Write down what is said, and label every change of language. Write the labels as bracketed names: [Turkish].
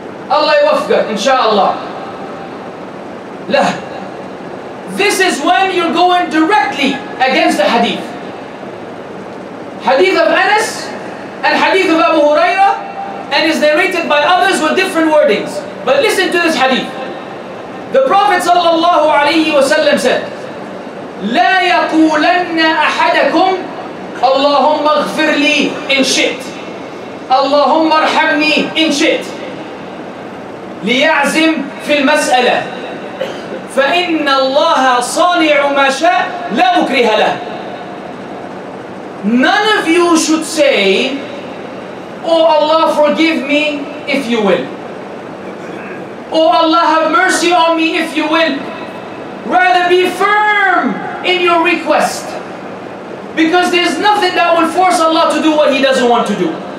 [Arabic] Allah yuwafqa, inshallah. Lah. [English] This is when you're going directly against the hadith. Hadith of Anas and hadith of Abu Hurairah, and is narrated by others with different wordings. But listen to this hadith. The Prophet sallallahu alayhi wa sallam said, [Arabic] لا يقولن أحدكم اللهم اغفر لي إن شئت اللهم ارحمني إن شئت ليعزم في المسألة فإن الله صانع ما شاء لا مكره له. [English] None of you should say, oh Allah forgive me if you will, oh Allah have mercy on me if you will. Rather be firm in your request, because there's nothing that will force Allah to do what He doesn't want to do.